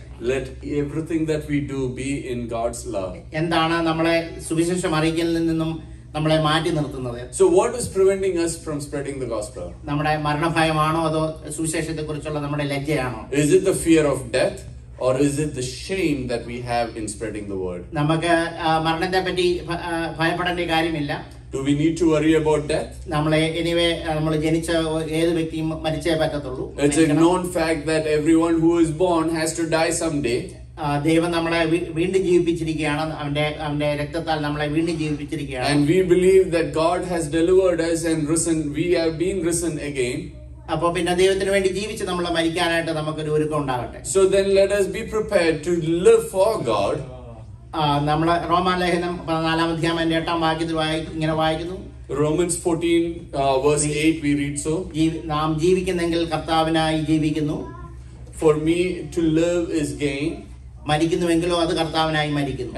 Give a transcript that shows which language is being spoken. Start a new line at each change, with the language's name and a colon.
English: Let everything that we do be in God's love.
Malayalam: എന്താണോ നമ്മളെ സുവിശേഷം അറിയിക്കലിൽ നിന്നും നമ്മളെ മാറ്റി നിർത്തുന്നത്?
English: So what is preventing us from spreading the gospel?
Malayalam: നമ്മുടെ മരണഭയമാണോ അതോ സുവിശേഷത്തെ കുറിച്ചുള്ള നമ്മുടെ ലജ്ജയാണോ?
English: Is it the fear of death or is it the shame that we have in spreading the word?
Malayalam: നമുക്ക് മരണത്തെ പറ്റി ഭയപ്പെടേണ്ട കാര്യമില്ല.
English: Do we need to worry about death?
Malayalam: നമ്മളെ anyway നമ്മളെ ജനിച്ച ഏത് വ്യക്തിയും മരിച്ചേ പറ്റത്തുള്ളൂ.
English: It's a known fact that everyone who is born has to die someday.
Malayalam: ദൈവം നമ്മളെ വീണ്ടും ജീവിപ്പിച്ചിരിക്കുകയാണ്. അവന്റെ രക്തത്താൽ നമ്മളെ വീണ്ടും ജീവിപ്പിച്ചിരിക്കുകയാണ്.
English: And we believe that God has delivered us and risen. We have been risen again.
Malayalam: അപ്പോ പിന്നെ ദൈവത്തിന് വേണ്ടി ജീവിച്ച് നമ്മൾ മരിക്കാനായിട്ട് നമുക്കൊരു ഒരുക്കം ഉണ്ടാകട്ടെ.
English: So then let us be prepared to live for God.
Malayalam: നമ്മളെ റോമാലേഖനം 14 അധ്യായം 8 വാക്യത്തിൽ ഇങ്ങനെ വായിക്കുന്നു.
English: Romans 14 verse 8 we read so.
Malayalam: നാം ജീവിക്കുന്നെങ്കിൽ കർത്താവിനായി ജീവിക്കുന്നു.
English: For me to live is gain.
Malayalam: മരിക്കുന്നുവെങ്കിലോ അത് കർത്താവിനായി മരിക്കുന്നു.